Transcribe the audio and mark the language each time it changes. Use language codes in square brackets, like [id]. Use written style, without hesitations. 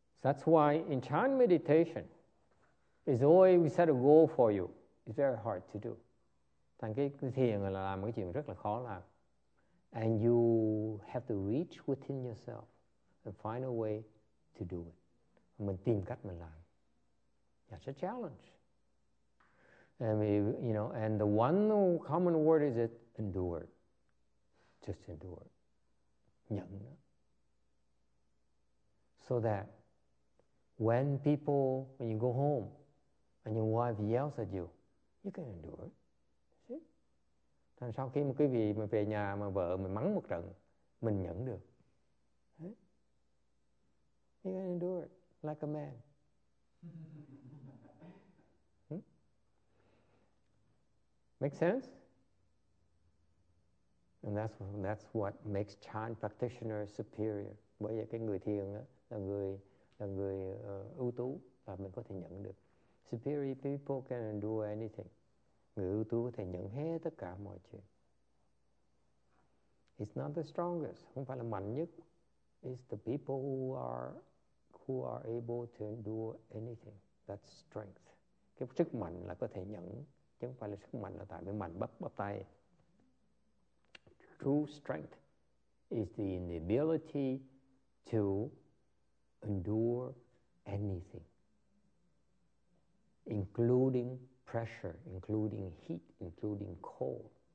[en] That's why in chan meditation, it's always we set a goal for you. It's very hard to do. [vi] Thành cái thiền là làm cái chuyện rất là khó làm. [en] And you have to reach within yourself and find a way to do it. [vi] Mình tìm cách mình làm. [en] That's a challenge. And and the one common word is it endure. Just endure. Nhẫn. So that when you go home and your wife yells at you, you can endure. See? [vi] Thành sau khi mà quý vị mà về nhà mà vợ mình mắng một trận, mình nhẫn được. [en] You can endure it like a man. Make sense? And that's what makes chan practitioner superior. [vi] Bởi vì cái người thiền á là người ưu tú và mình có thể nhận được. [en] Superior people can do anything. [vi] Người ưu tú có thể nhận hết tất cả mọi chuyện. [en] It's not the strongest, [vi] không phải là mạnh nhất. [en] It's the people who are able to do anything. That's strength. [vi] Cái sức mạnh là có thể nhận. Chứ không phải là sức mạnh là tại mình mạnh bắp tay. [en] True strength is the inability to endure anything, including pressure, including heat, including cold.